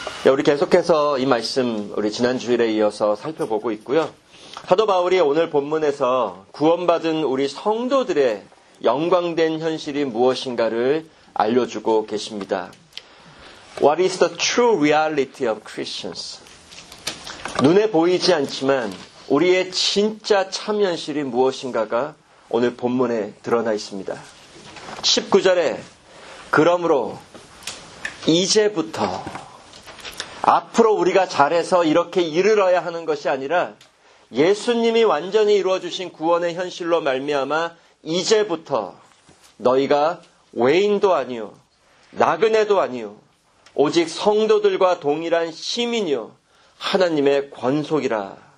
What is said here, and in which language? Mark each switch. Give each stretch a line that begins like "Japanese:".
Korean: 우리 계속해서 이 말씀 우리 지난 주일에 이어서 살펴보고 있고요. 사도 바울이 오늘 본문에서 구원받은 우리 성도들의 영광된 현실이 무엇인가를 알려주고 계십니다.
English: What is the true reality of Christians?
Korean: 눈에 보이지 않지만 우리의 진짜 참 현실이 무엇인가가 오늘 본문에 드러나 있습니다. 19절에 그러므로 이제부터 앞으로 우리가 잘해서 이렇게 이르러야 하는 것이 아니라 예수님이 완전히 이루어주신 구원의 현실로 말미암아 이제부터 너희가 외인도 아니요 나그네도 아니요 오직 성도들과 동일한 시민이요 하나님의 권속이라.